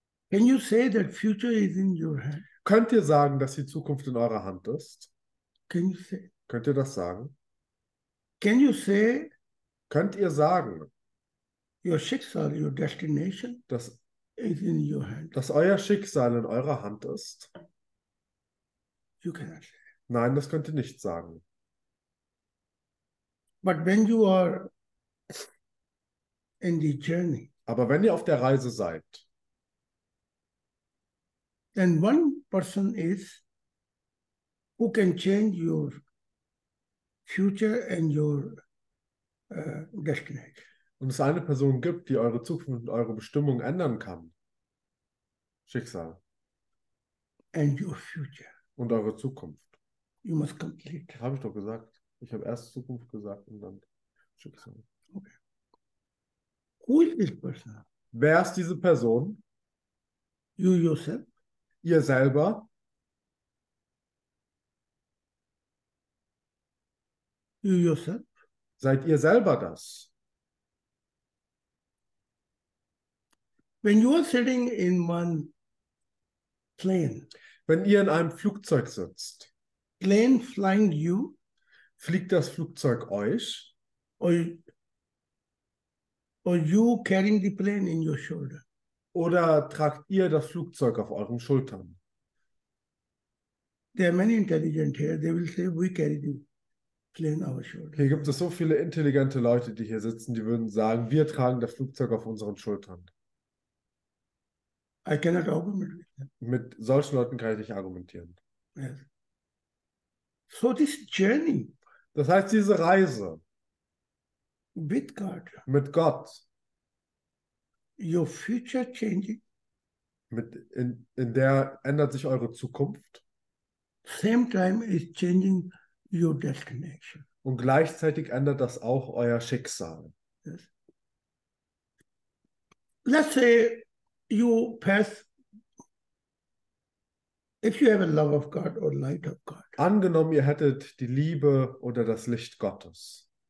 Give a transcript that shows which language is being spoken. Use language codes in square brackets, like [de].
[en] Can you say that future is in your hand? [de] Könnt ihr sagen, dass die Zukunft in eurer Hand ist? [en] Can you say? [de] Könnt ihr das sagen? [en] Can you say? [de] Könnt ihr sagen? [en] Your Schicksal, your destination. [de] Das [en] is in your hand. [de] Dass euer Schicksal in eurer Hand ist? [en] You cannot say. [de] Nein, das könnt ihr nicht sagen. [en] But when you are in the journey. [de] Aber wenn ihr auf der Reise seid. [en] Then one person is who can change your future and your destination. [de] Und es eine Person gibt, die eure Zukunft und eure Bestimmung ändern kann. Schicksal. [en] And your future. [de] Und eure Zukunft. [en] You must complete. [de] Habe ich doch gesagt. Ich habe erst Zukunft gesagt und dann Schicksal. [en] Okay. Who is this person? [de] Wer ist diese Person? [en] You yourself. [de] Ihr selber. [en] You yourself. [de] Seid ihr selber das? [en] When you are sitting in one plane, [de] wenn ihr in einem Flugzeug sitzt, [en] plane flying you, [de] fliegt das Flugzeug euch, [en] or you carrying the plane in your shoulder, [de] oder tragt ihr das Flugzeug auf euren Schultern? [en] There are many intelligent here. They will say we carry the plane on our shoulder. [de] Hier gibt es so viele intelligente Leute, die hier sitzen, die würden sagen, wir tragen das Flugzeug auf unseren Schultern. [en] I cannot argument with them. [de] Mit solchen Leuten kann ich nicht argumentieren. [en] Yes. So this journey. [de] Das heißt, diese Reise. [en] With God. [de] Mit Gott. [en] Your future changing. [de] In der ändert sich eure Zukunft. [en] Same time is changing your destination. [de] Und gleichzeitig ändert das auch euer Schicksal. [en] Yes. Let's say you pass, if you have a love of God or light of God. [de] Angenommen, ihr hättet die Liebe oder das Licht Gottes.